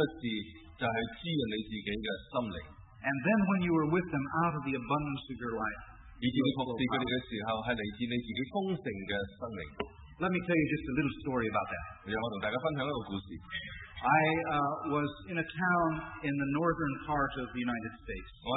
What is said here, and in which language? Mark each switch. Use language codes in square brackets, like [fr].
[zh] 你为了你所服侍的人能够做最好的事，就是滋润你自己的心灵。 [en] And then when you are with them out of the abundance of your life, [zh] 以及你服侍他们的时候，是来自你自己丰盛的生命。 [en] Let me tell you just a little story about that. I was in a town in the northern part of the United States.